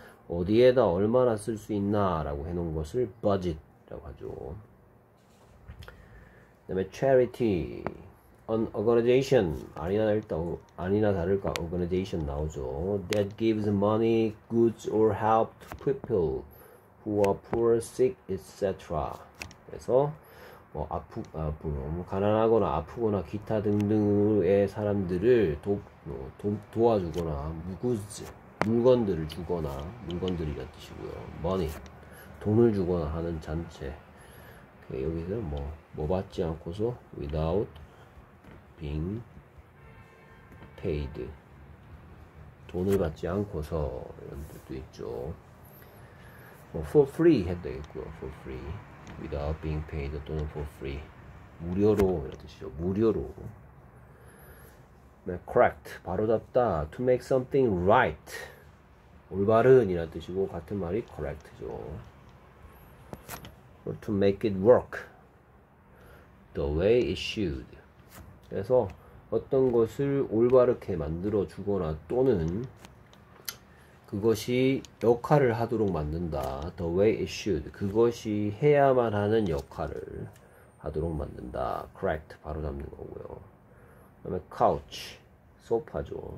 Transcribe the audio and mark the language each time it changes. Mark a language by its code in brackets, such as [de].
[ko] 어디에다 얼마나 쓸수 있나라고 해놓은 것을 budget라고 하죠. 그다음에 charity. [en] An organization. [ko] 아니나 다를까 organization 나오죠. [en] That gives money, goods or help to people who are poor, sick, etc. [ko] 그래서 뭐 가난하거나 아프거나 기타 등등의 사람들을 도와주거나 물건들을 주거나 물건들이란 뜻이고요. money 돈을 주거나 하는 잔체. 여기서 뭐 받지 않고서 [en] without being paid [ko] 돈을 받지 않고서 이런 뜻도 있죠. 뭐 for free 해도 되겠고요. [en] for free without being paid [ko] 또는 for free 무료로 이런 뜻이죠. 무료로. correct 바로잡다 [en] to make something right [ko] 올바른 이란 뜻이고 같은 말이 correct죠. [en] or to make it work the way it should. [ko] 그래서 어떤 것을 올바르게 만들어 주거나 또는 그것이 역할을 하도록 만든다. [en] The way it should. [ko] 그것이 해야만 하는 역할을 하도록 만든다. Correct. 바로 잡는 거고요. 그다음에 couch. 소파죠.